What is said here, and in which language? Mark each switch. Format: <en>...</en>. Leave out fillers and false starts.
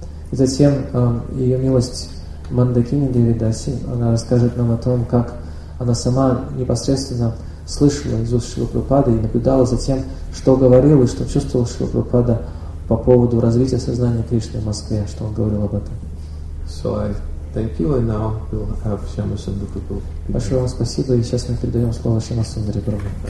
<ru>И затем ее милость Мандакини Девидаси, она расскажет нам о том, как она сама непосредственно слышала из уст Шрилы Прабхупады и наблюдала за тем, что говорил и что чувствовал Шрила Прабхупада по поводу развития сознания Кришны в Москве, что он говорил об этом.</ru> <en>So I thank you, and now we'll have Shyama Sundar Prabhu.</en> <ru>Большое вам спасибо, и сейчас мы передаем слово Шьяма Сундаре Прабху.</ru>